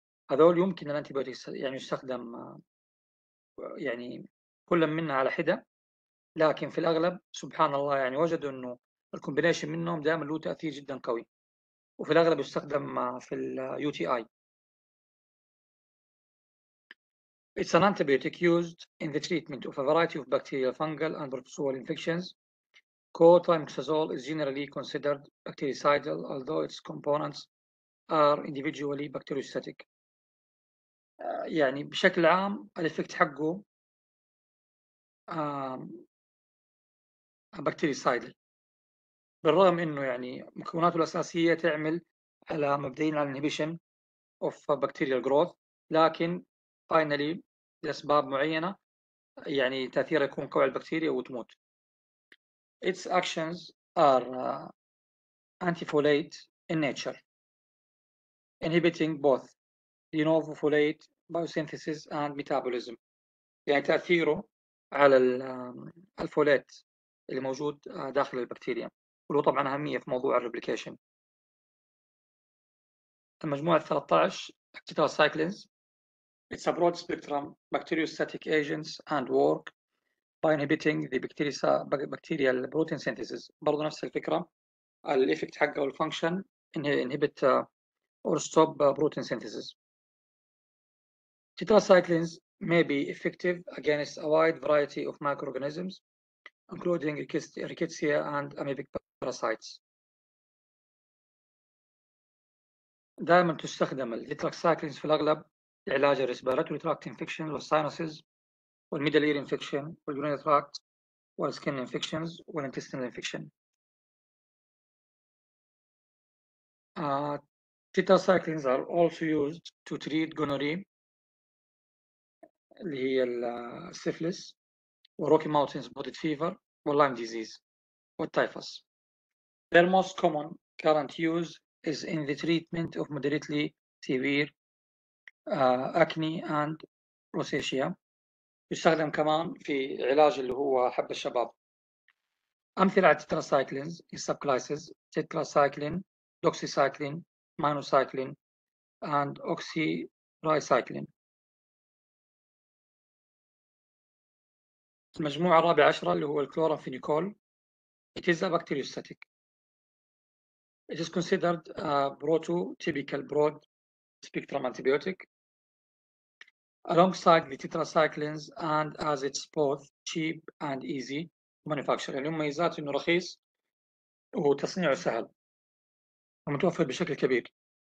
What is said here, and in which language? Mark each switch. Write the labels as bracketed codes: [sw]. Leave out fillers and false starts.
[ar] هذول يمكن الانتيبيوتكس يعني يستخدم يعني كل منها على حدة لكن في الأغلب سبحان الله يعني وجدوا أنه الكومبينيشن منهم دائما له تأثير جدا قوي وفي الأغلب يستخدم في الـ UTI. [en] It's an antibiotic used in the treatment of a variety of bacterial, fungal and protozoal infections. Cotrimoxazole is generally considered bactericidal although its components are individually bacteriostatic. [ar] يعني بشكل عام الإفكت حقه bactericidal بالرغم انه يعني مكوناته الاساسيه تعمل على مبدئين على [en] inhibition of bacterial growth، [ar] لكن finally لاسباب معينه يعني تاثيره يكون قوي على البكتيريا وتموت. [en] Its actions are antifolate in nature, inhibiting both de novo folate biosynthesis and metabolism. [ar] يعني تاثيره على الفوليت اللي موجود داخل البكتيريا، وله طبعا اهميه في موضوع الريبليكيشن. المجموعه 13 [en] tetracyclines its a broad spectrum bacteriostatic agents and work by inhibiting the bacterial protein synthesis. [ar] برضو نفس الفكره الايفكت حقه والفانكشن [en] inhibit or stop protein synthesis. tetracyclines may be effective against a wide variety of microorganisms including rickettsia and amoebic parasites. [ar] دائما تستخدم التتراكساكلينز في الاغلب لعلاج الريسبيراتوري تراكت انفكشن والساينوسز والميدل اير انفكشن والجرين تراكت والسكن انفكشنز والانتستينال انفكشن. [en] tetracyclines are also used to treat gonorrhea [ar] اللي هي [en] السيفلس وروكي mountain spotted fever واللايم ديزيز والتيفوس. Their most common current use is in the treatment of moderately severe acne and rosacea. [ar] يستخدم كمان في علاج اللي هو حب الشباب. أمثلة على [en] tetracyclines in subclasses: tetracycline, doxycycline, minocycline, and oxyricycline. [ar] المجموعة الرابعة عشرة اللي هو الكلورامفينيكول. [en] It is a bacteriostatic. It is considered a prototypical broad spectrum antibiotic alongside the tetracyclines and as it's both cheap and easy manufacturing. [ar] يعني مميزات انه رخيص وتصنيعه سهل ومتوفر بشكل كبير.